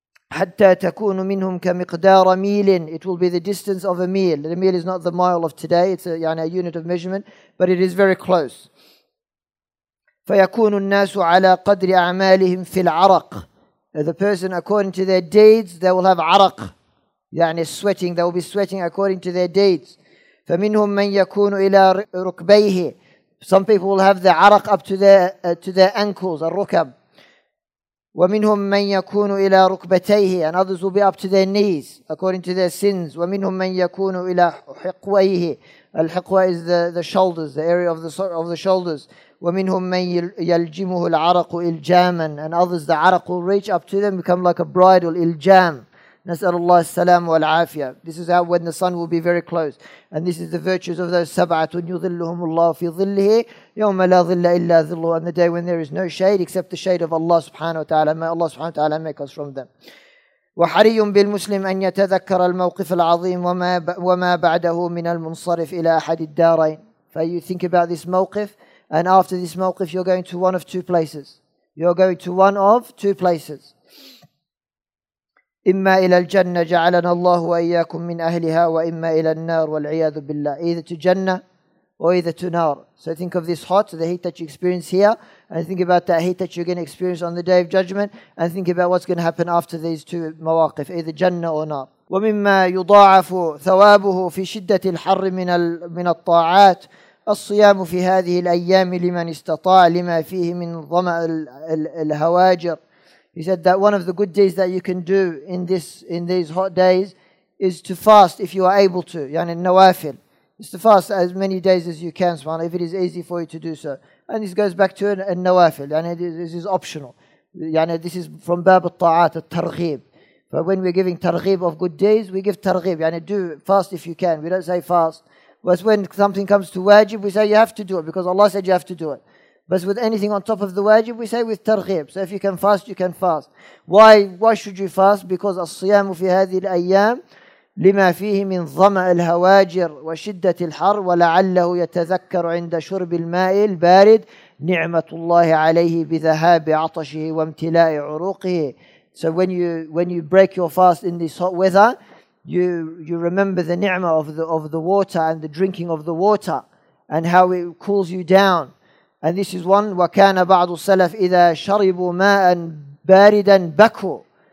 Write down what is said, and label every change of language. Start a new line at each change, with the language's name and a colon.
Arabic: حتى تكون منهم كمقدار ميل.
English: It will be the distance of a meal. The meal is not the mile of today. It's a, يعني a unit of measurement, but it is very close.
Arabic: فيكون الناس على قدر أعمالهم في العرق.
English: The person according to their deeds, they will have عرق. يعني sweating. They will be sweating according to their deeds.
Arabic: فمنهم من يكون إلى ركبيه.
English: Some people will have the عرق up to their ankles, الركب.
Arabic: ومنهم من يكون إلى ركبتيه,
English: and others will be up to their knees according to their sins.
Arabic: ومنهم من يكون إلى حقويه, الحقوى
English: is the shoulders, the area of the shoulders.
Arabic: ومنهم من يلجمه العرق إلجاما,
English: and others the عرق will reach up to them, become like a bridle, إلجام.
Arabic: نسأل الله السلام والعافية.
English: This is how when the sun will be very close, and this is the virtues of those
Arabic: سبعة يظلهم الله في ظله يوم لا ظل إلا ظله,
English: and the day when there is no shade except the shade of Allah
Arabic: سبحانه وتعالى.
English: May Allah
Arabic: سبحانه وتعالى
English: make us from them.
Arabic: وحري بالمسلم أن يتذكر الموقف العظيم وما بعده من المنصرف إلى أحد الدارين.
English: For you think about this موقف, and after this موقف you're going to one of two places. You're going to one of two places.
Arabic: إما إلى الجنة جعلنا الله وإياكم من أهلها وإما إلى النار والعياذ بالله.
English: Either to Jannah or either to Nar. So think of this hot, the heat that you experience here, and think about that heat that you're going to experience on the Day of Judgment, and think about what's going to happen after these two مواقف, either Jannah or Nar.
Arabic: ومما يضاعف ثوابه في شدة الحر من الطاعات الصيام في هذه الأيام لمن استطاع لما فيه من ظمأ الهواجر.
English: He said that one of the good deeds that you can do in these hot days is to fast if you are able to.
Arabic: يعني النوافل.
English: It's to fast as many days as you can, subhanAllah, if it is easy for you to do so. And this goes back to النوافل. يعني this is optional.
Arabic: يعني
English: this is from
Arabic: باب الطاعات الترغيب.
English: But when we're giving ترغيب of good deeds, we give ترغيب. يعني do fast if you can. We don't say fast. But when something comes to wajib, we say you have to do it because Allah said you have to do it. But with anything on top of the wajib, we say with targhib. So if you can fast, you can fast. Why should you fast? Because
Arabic: الصيام في هذه الأيام لما فيه من ظمأ الهواجر وشدة الحر ولعله يتذكر عند شرب الماء البارد نعمة الله عليه بذهاب عطشه وامتلاء عروقه.
English: So when you break your fast in this hot weather, you remember the ni'mah of the water and the drinking of the water and how it cools you down. And this is one.
Arabic: وَكَانَ بَعْضُ السَّلَفِ إِذَا شَرِبُوا مَاءً بَارِدًا بَكُوا.